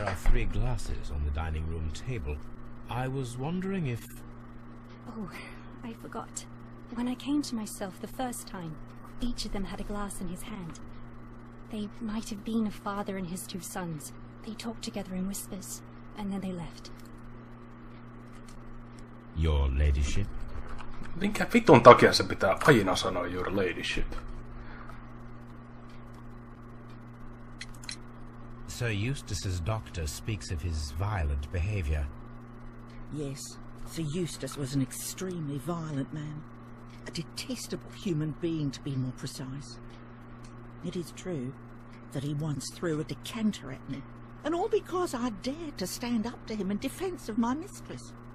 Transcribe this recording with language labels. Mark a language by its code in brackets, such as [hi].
[en] Three glasses on the dining room table. I was wondering if... Oh, I forgot. When I came to myself the first time, each of them had a glass in his hand. They might have been a father and his two sons. They talked together in whispers, and then they left. Your ladyship? [fi] Minkä vitun takia se pitää aina sanoa [en] your ladyship? Sir Eustace's doctor speaks of his violent behavior. Yes, Sir Eustace was an extremely violent man. A detestable human being, to be more precise. It is true that he once threw a decanter at me, and all because I dared to stand up to him in defense of my mistress.